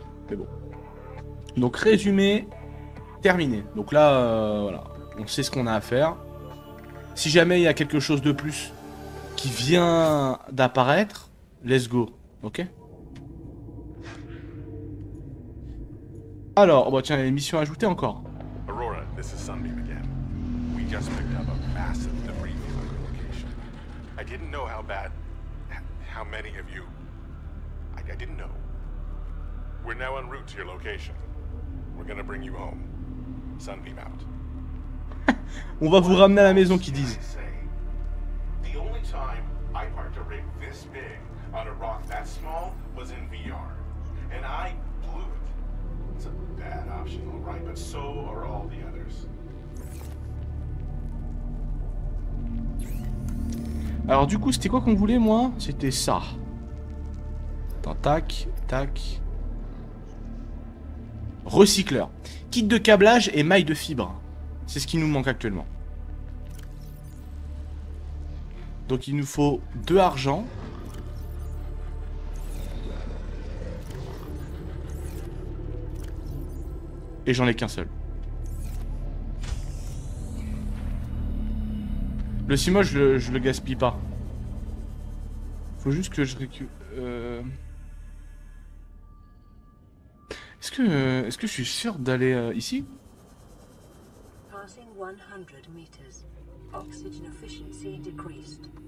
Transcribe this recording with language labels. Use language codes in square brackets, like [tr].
[fr] Mais bon. Donc, résumé, terminé. Donc là, voilà. On sait ce qu'on a à faire. Si jamais il y a quelque chose de plus qui vient d'apparaître, [en] let's go. [fr] Ok? Alors, bah tiens, il y a une mission ajoutée encore. [en] Aurora, this is Sunbeam again. We just picked up a massive debris field location. I didn't know how bad, how many of you. I didn't know. We're now en route to your location. We're gonna bring you home. Sunbeam out. [fr] On va vous ramener à la maison, qu'ils disent. [en] The only time I parked a rig this big on a rock that small was in VR, and I blew it. It's a bad option, all right, but so are all the others. [fr] Alors du coup, c'était quoi qu'on voulait, moi? C'était ça. Attends, tac, tac. Recycleur. Kit de câblage et maille de fibre. C'est ce qui nous manque actuellement. Donc il nous faut 2 argent. Et j'en ai qu'un seul. Le Simo, je le gaspille pas. Faut juste que je récupère. Est-ce que je suis sûr d'aller ici? [en] Passing 100 meters. Oxygen efficiency decreased.